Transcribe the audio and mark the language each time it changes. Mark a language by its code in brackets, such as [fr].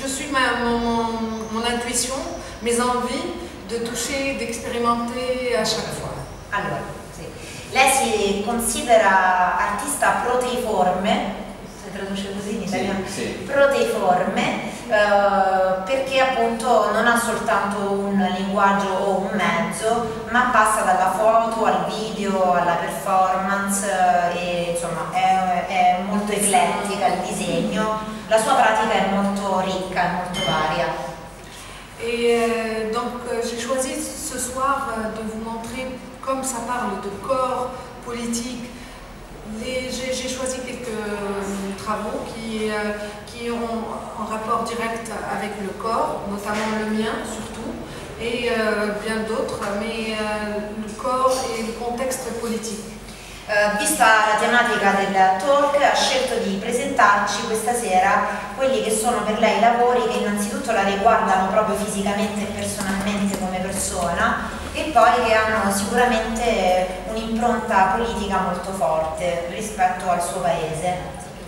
[fr] Je suis mon intuition, mes envies. De toucher, d'expérimenter à chaque fois. [it] Allora, sì. Lei si considera artista proteiforme, se traduce così in italiano, sì. Proteiforme, perché appunto non ha soltanto un linguaggio o un mezzo, ma passa dalla foto al video, alla performance, e insomma è molto eclettica il disegno. La sua pratica è molto ricca, è molto varia. [fr] Et donc j'ai choisi ce soir de vous montrer, comme ça parle de corps politique, j'ai choisi quelques travaux qui ont un rapport direct avec le corps, notamment le mien surtout, et bien d'autres, mais le corps et le contexte politique. [it] Vista la tematica del talk, ha scelto di presentarci questa sera quelli che sono per lei lavori che innanzitutto la riguardano proprio fisicamente e personalmente come persona e poi che hanno sicuramente un'impronta politica molto forte rispetto al suo paese.